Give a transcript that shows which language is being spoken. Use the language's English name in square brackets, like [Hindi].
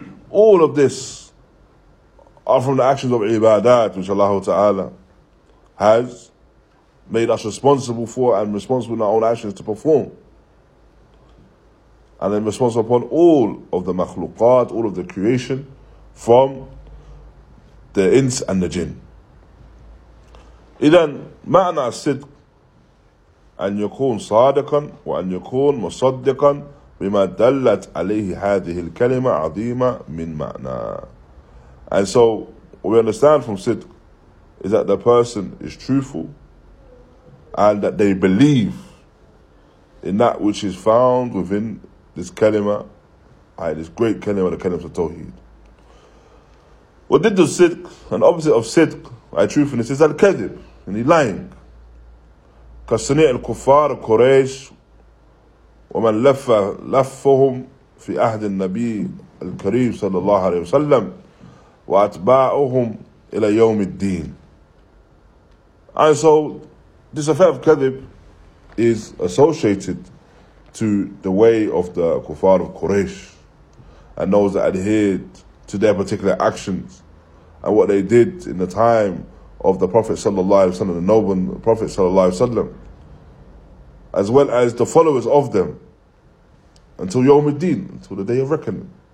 [English] All of this are from the actions of ibadat, which Allah Ta'ala has made us responsible for, and responsible in our own actions to perform. And then responsible upon all of the makhluqat, all of the creation, from the ins and the jinn. [Arabic] Idan, ma'na as-sidq, أن يكون صادقا وأن يكون مصدقا بما دلت عليه هذه الكلمة عظيمة من معنى. [English] And so what we understand from Sidq is that the person is truthful and that they believe in that which is found within this kalima, this great kalima, the kalima of Tawheed. What did the Sidq, an opposite of Sidq, by truthfulness, is al-kadib, and he's lying. [Arabic] كصنيع الكفار قريش ومن لفهم في عهد النبي الكريم صلى الله عليه وسلم وأتباعهم إلى يوم الدين. [English] And so this affair of kadhib is associated to the way of the kufar of Quraysh, and those that adhered to their particular actions and what they did in the time of the Prophet صلى الله عليه وسلم, the noble Prophet صلى الله عليه وسلم, as well as the followers of them, until Yawm al-Din, until the Day of Reckoning.